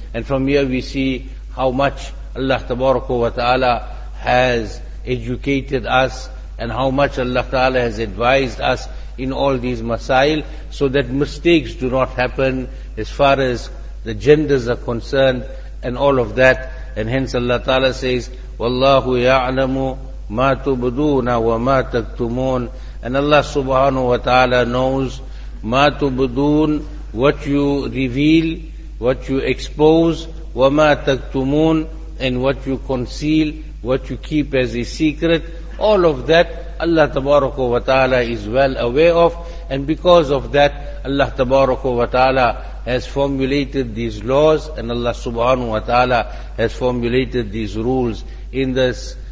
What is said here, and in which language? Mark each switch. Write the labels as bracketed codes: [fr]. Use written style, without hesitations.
[en] And from here we see how much Allah Tabaraka wa Ta'ala has educated us, and how much Allah Ta'ala has advised us in all these masail, so that mistakes do not happen as far as the genders are concerned and all of that. And hence Allah Ta'ala says, [ar] وَاللَّهُ يَعْلَمُ مَا تُبْدُونَ وَمَا تَكْتُمُونَ. [en] And Allah subhanahu wa ta'ala knows, [ar] مَا تُبْدُونَ, [en] what you reveal, what you expose, [ar] وَمَا تَكْتُمُونَ, [en] and what you conceal, what you keep as a secret. All of that Allah tabaraka wa ta'ala is well aware of, and because of that Allah tabaraka wa ta'ala has formulated these laws, and Allah subhanahu wa ta'ala has formulated these rules in this.